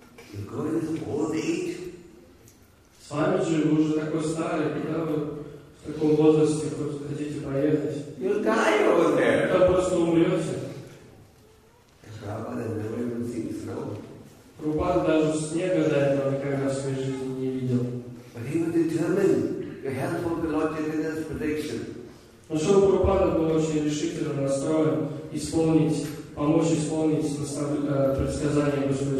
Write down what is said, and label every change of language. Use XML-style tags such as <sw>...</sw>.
<ru>вы уже такой старый, когда вы в таком возрасте хотите поехать?</ru> <en>You'll die over there.</en> <ru>Вы просто умрете.</ru> <en>Prabhupada never even seen snow.</en> <ru>Прабхупада даже снега до этого никогда в своей жизни не видел.</ru> <en>But he was determined to help with the Lord Chaitanya's prediction.</en> <ru>Но Шрила Прабхупада был очень решительно настроен помочь исполнить предсказание Господа</ru>